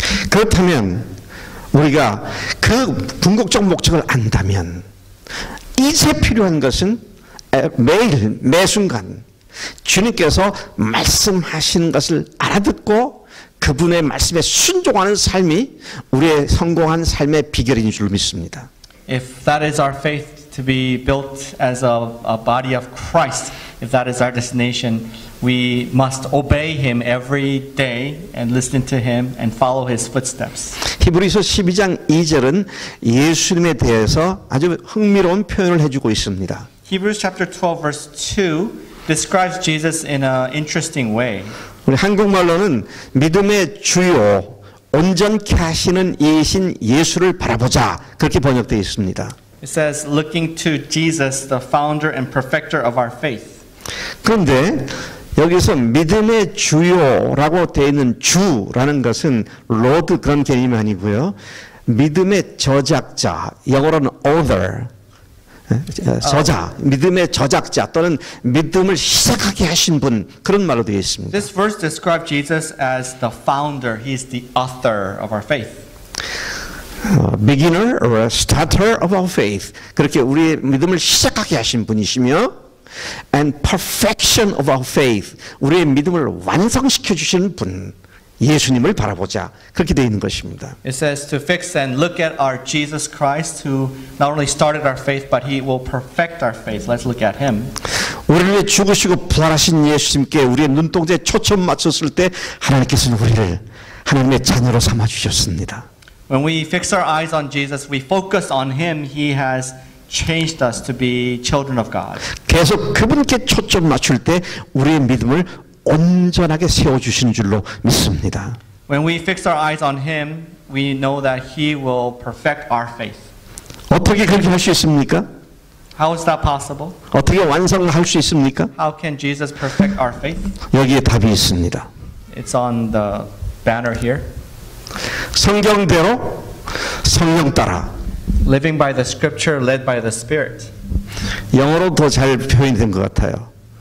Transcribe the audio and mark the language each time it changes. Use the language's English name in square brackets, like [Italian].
[Korean] 그렇다면 우리가 그 궁극적 목적을 안다면. 이제 필요한 것은 매일 매 순간 주님께서 말씀하시는 것을 알아듣고 그분의 말씀에 순종하는 삶이 우리의 성공한 삶의 비결인 줄 믿습니다. [English] If that is our faith to be built as a body of Christ, if that is our destination, we must obey Him every day and listen to Him and follow His footsteps. [Korean] 히브리서 12장 2절은 예수님에 대해서 아주 흥미로운 표현을 해주고 있습니다. [English] Hebrews chapter 12 verse 2 describes Jesus in an interesting way. [Korean] 우리 한국말로는 믿음의 주요 온전케 하시는 이신 예수를 바라보자 그렇게 번역되어 있습니다. [English] It says looking to Jesus, the founder and perfecter of our faith. [Korean] 그런데 여기서 믿음의 주요라고 되어 있는 주라는 것은 로드 그런 개념이 아니고요. 믿음의 저작자, 영어로는 author, 저자, 믿음의 저작자 또는 믿음을 시작하게 하신 분 그런 말로 되어 있습니다. [English] This verse describes Jesus as the founder. He is the author of our faith. Beginner or a starter of our faith. [Korean] 그렇게 우리의 믿음을 시작하게 하신 분이시며 [English] and perfection of our faith, [Korean] 우리의 믿음을 완성시켜 주시는 분, 예수님을 바라보자 그렇게 되어 있는 것입니다. [English] It says to fix and look at our Jesus Christ, who not only started our faith, but He will perfect our faith. Let's look at Him. [Korean] 우리를 위해 죽으시고 부활하신 예수님께 우리의 눈동자에 초점 맞췄을 때 하나님께서는 우리를 하나님의 자녀로 삼아 주셨습니다. [English] When we fix our eyes on Jesus, we focus on Him. He has changed us to be children of God. [Korean] 계속 그분께 초점 맞출 때 우리의 믿음을 온전하게 세워 주신 줄로 믿습니다. [English] When we fix our eyes on Him, we know that He will perfect our faith. [Korean] 어떻게 그렇게 할 수 있습니까? [English] How is that possible? [Korean] 어떻게 완성할 수 있습니까? [English] How can Jesus perfect our faith? [Korean] 여기에 답이 있습니다. [English] It's on the banner here. [Korean] 성경대로 성령 따라. [English] Living by the Scripture, led by the Spirit. [Korean] 영어로 더 잘 표현된 것 같아요.